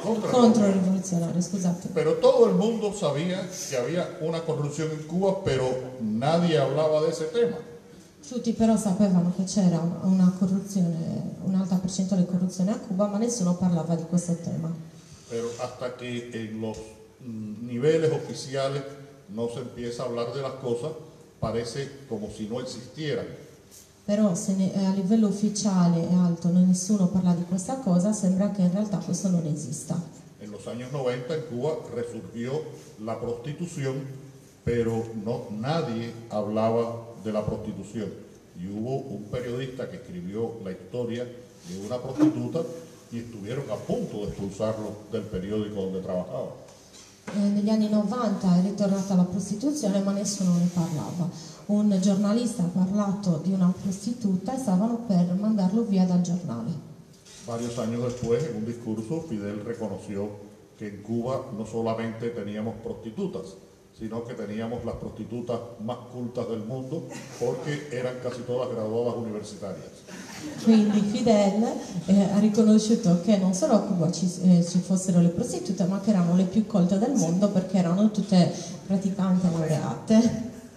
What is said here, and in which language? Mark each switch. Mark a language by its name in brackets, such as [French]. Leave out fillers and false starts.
[Italian] Contro rivoluzionario, scusate. Però tutto il mondo sapeva che aveva una corruzione in Cuba, però nadie parlava di questo tema. Tutti però sapevano che c'era una corruzione, un'alta percentuale di corruzione a Cuba, ma nessuno parlava di questo tema. [Spanish] Però hasta che niveles oficiales no se empieza a hablar de las cosas, parece como si no existieran. [Italian] Pero a livello ufficiale e alto non nessuno parla di questa cosa, sembra che in realtà questo non esista. [Spanish] En los años 90 en Cuba resurgió la prostitución, pero no nadie hablaba de la prostitución. Y hubo un periodista que escribió la historia de una prostituta y estuvieron a punto de expulsarlo del periódico donde trabajaba. [Italian] Negli anni 90 è ritornata la prostituzione, ma nessuno ne parlava. un giornalista ha parlato di una prostituta e stavano per mandarlo via dal giornale. [Spanish] Varios años después, en un discurso, Fidel reconoció que en Cuba no solamente teníamos prostitutas, sino que teníamos las prostitutas más cultas del mundo porque eran casi todas graduadas universitarias. [Italian] Quindi Fidel ha riconosciuto che non solo a Cuba ci fossero le prostitute, ma che erano le più colte del mondo perché erano tutte praticamente laureate.